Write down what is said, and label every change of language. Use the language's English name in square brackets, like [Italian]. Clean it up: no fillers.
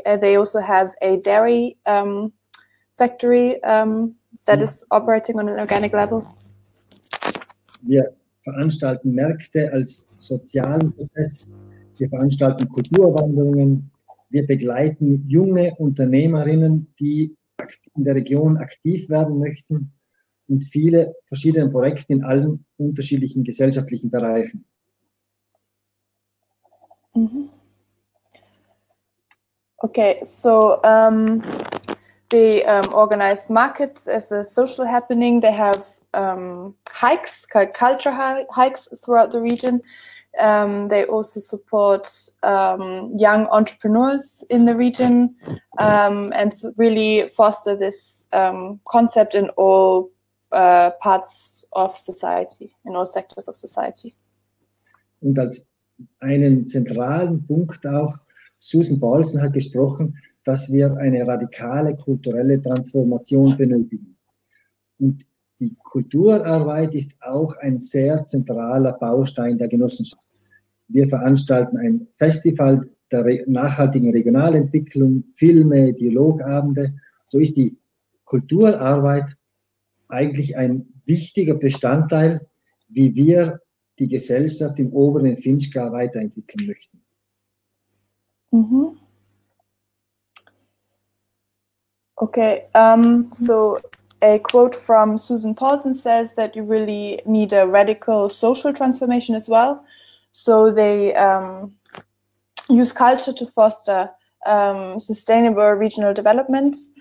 [English] They also have a dairy factory that is operating on an organic level. Yeah. [German] Veranstalten Märkte als sozialen Prozess, wir veranstalten Kulturwanderungen, wir begleiten junge Unternehmerinnen, die in der Region aktiv werden möchten und viele verschiedene Projekte in allen unterschiedlichen gesellschaftlichen Bereichen. [English] Okay, so they organize markets as a social happening. They have hikes, culture hikes throughout the region. They also support young entrepreneurs in the region and really foster this concept in all parts of society, in all sectors of society. [German] Und als einen zentralen Punkt auch, Susan Paulsen hat gesprochen, dass wir eine radikale kulturelle Transformation benötigen. Und die Kulturarbeit ist auch ein sehr zentraler Baustein der Genossenschaft. Wir veranstalten ein Festival der nachhaltigen Regionalentwicklung, Filme, Dialogabende. So ist die Kulturarbeit eigentlich ein wichtiger Bestandteil, wie wir die Gesellschaft im oberen Finchgau weiterentwickeln möchten. [English] Okay, so a quote from Susan Paulsen says that you really need a radical social transformation as well. So they use culture to foster sustainable regional development.